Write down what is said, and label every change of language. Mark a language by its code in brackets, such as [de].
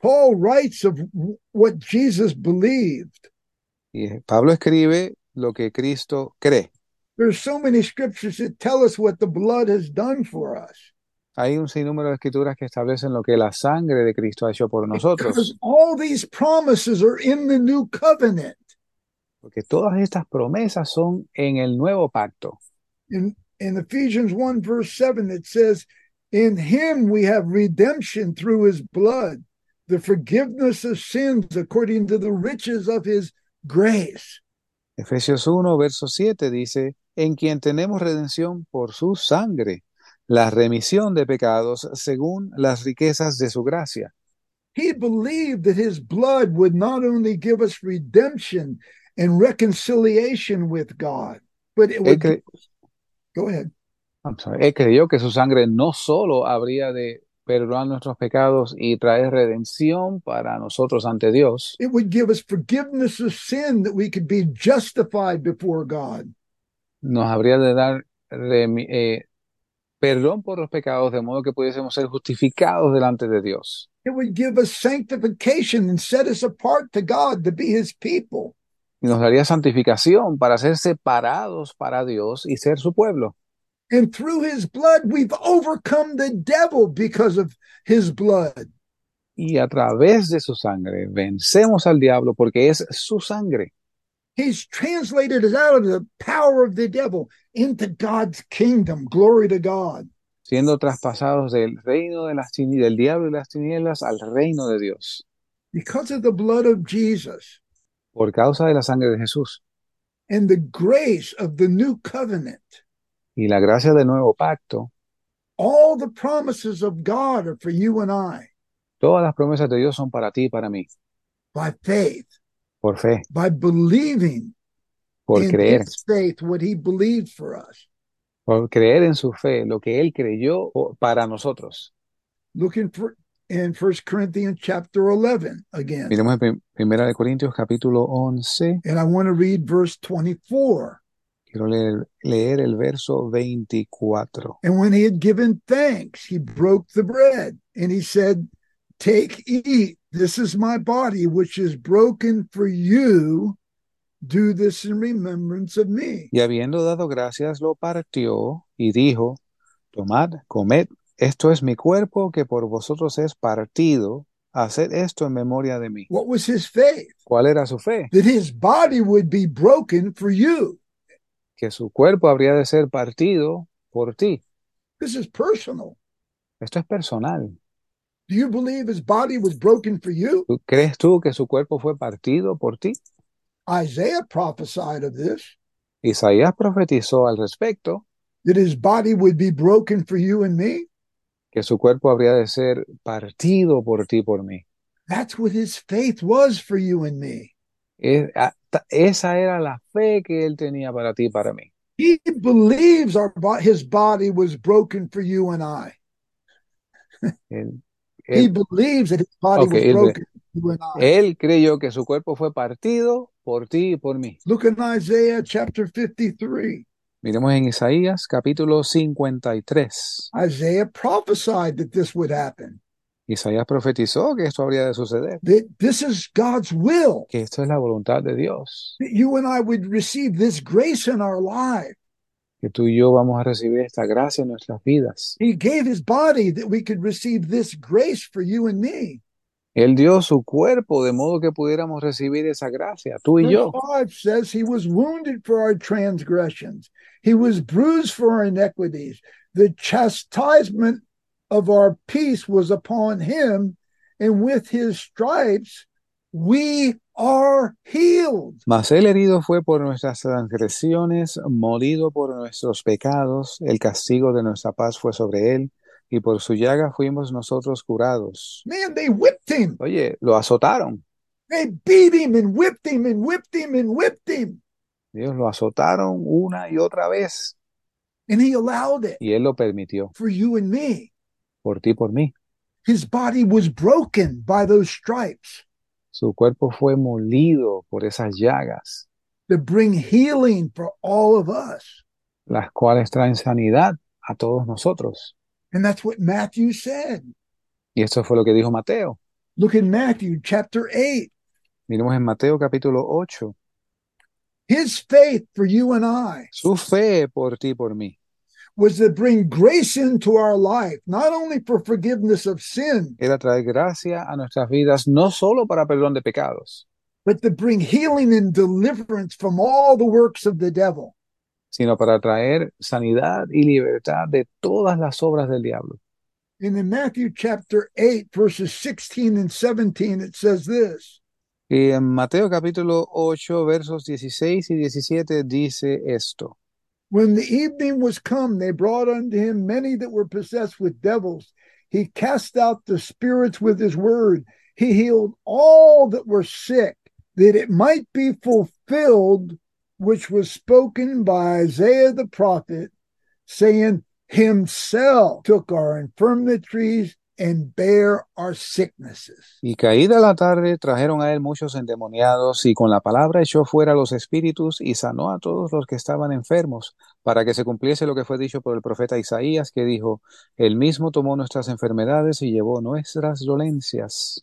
[en] Paul writes of what Jesus believed. [es] Y Pablo escribe lo que Cristo cree. [en] There are so many scriptures that tell us what the blood has done for us. [es] Hay un sinnúmero de escrituras que establecen lo que la sangre de Cristo ha hecho por nosotros. [en] Because all these promises are in the new covenant. [es] Porque todas estas promesas son en el nuevo pacto. [en] In Ephesians 1 verse 7 it says, in him we have redemption through his blood, the forgiveness of sins according to the riches of his grace. [es] Efesios 1 verso 7 dice, en quien tenemos redención por su sangre, la remisión de pecados según las riquezas de su gracia. [en] He believed that his blood would not only give us redemption and reconciliation with God, but it would... Go ahead. I'm sorry. [es] Él creyó que su sangre no solo habría de perdonar nuestros pecados y traer redención para nosotros ante Dios. [en] It would give us forgiveness of sin that we could be justified before God. [es] Nos habría de dar perdón por los pecados, de modo que pudiésemos ser justificados delante de Dios. [en] It would give us sanctification and set us apart to God to be his people. [es] Y nos daría santificación para ser separados para Dios y ser su pueblo. [en] And through his blood, we've overcome the devil because of his blood. [es] Y a través de su sangre, vencemos al diablo porque es su sangre. [en] He's translated us out of the power of the devil into God's kingdom. Glory to God. [es] Siendo traspasados del reino de las tinieblas, del diablo y las tinieblas al reino de Dios. [en] Because of the blood of Jesus. [es] Por causa de la sangre de Jesús. [en] And the grace of the new covenant. [es] Y la gracia del nuevo pacto. [en] All the promises of God are for you and I. [es] Todas las promesas de Dios son para ti y para mí. [en] By faith. [es] Por fe. [en] By believing [es] por [en] in [es] creer. [en] His faith what he believed for us. [es] Por creer en su fe, lo que él creyó para nosotros. [en] Looking for in 1 Corinthians chapter 11 again. [es] Miremos en Primera de Corintios capítulo 11. [en] And I want to read verse 24. [es] Quiero leer el verso 24. [en] And when he had given thanks, he broke the bread and he said, take, eat, this is my body, which is broken for you. Do this in remembrance of me. [es] Y habiendo dado gracias, lo partió y dijo, tomad, comed, Esto es mi cuerpo que por vosotros es partido. Haced esto en memoria de mí. [en] What was his faith? [es] ¿Cuál era su fe? [en] That his body would be broken for you. [es] Que su cuerpo habría de ser partido por ti. [en] This is personal. [es] Esto es personal. [en] Do you believe his body was broken for you? [es] ¿Crees tú que su cuerpo fue partido por ti? [en] Isaiah prophesied of this. [es] Isaías profetizó al respecto [en] That his body would be broken for you and me. [es] que su cuerpo habría de ser partido por ti, por mí. [en] That's what his faith was for you and me. [es] Esa era la fe que él tenía para ti, para mí. [en] He believes his body was broken for you and I. He believes that his body was broken for you and I. [es] Él creyó que su cuerpo fue partido por ti y por mí. [en] Look in Isaiah chapter 53. [es] Miremos en Isaías capítulo 53. [en] Isaiah prophesied that this would happen. [es] Isaías profetizó que esto habría de suceder, [en] That this is God's will. [es] que esto es la voluntad de Dios, [en] That you and I would receive this grace in our life. [es] que tú y yo vamos a recibir esta gracia en nuestras vidas. [en] He gave his body that we could receive this grace for you and me. [es] Él dio su cuerpo de modo que pudiéramos recibir esa gracia, tú y [en] Verse [es] yo. [en] 5 says he was wounded for our transgressions. He was bruised for our iniquities. The chastisement of our peace was upon him, and with his stripes we are healed. [es] Mas el herido fue por nuestras transgresiones, molido por nuestros pecados, el castigo de nuestra paz fue sobre él, y por su llaga fuimos nosotros curados. [en] Man, they whipped him. [es] Oye, lo azotaron. [en] They beat him and whipped him and whipped him and whipped him. [es] Ellos lo azotaron una y otra vez. [en] And he allowed it [es] Y él lo permitió. [en] for you and me. [es] Por ti, por mí. [en] His body was broken by those stripes [es] Su cuerpo fue molido por esas llagas, [en] to bring healing for all of us. [es] las cuales traen sanidad a todos nosotros. [en] And that's what Matthew said. [es] Y esto fue lo que dijo Mateo. [en] Look in Matthew chapter 8. [es] Miremos en Mateo capítulo 8. [en] His faith for you and I [es] Su fe por ti, por mí. [en] was to bring grace into our life, not only for forgiveness of sin, [es] Era traer gracia a nuestras vidas, no solo para perdón de pecados, [en] but to bring healing and deliverance from all the works of the devil. [es] sino para traer sanidad y libertad de todas las obras del diablo. [en] And in Matthew chapter 8, verses 16 and 17, it says this. [es] Y en Mateo capítulo 8, versos 16 y 17 dice esto. [en] When the evening was come, they brought unto him many that were possessed with devils. He cast out the spirits with his word. He healed all that were sick, that it might be fulfilled, which was spoken by Isaiah the prophet, saying, Himself took our infirmities and bare our sicknesses. [es] Y caída la tarde, trajeron a él muchos endemoniados, y con la palabra echó fuera los espíritus y sanó a todos los que estaban enfermos, para que se cumpliese lo que fue dicho por el profeta Isaías, que dijo: Él mismo tomó nuestras enfermedades y llevó nuestras dolencias.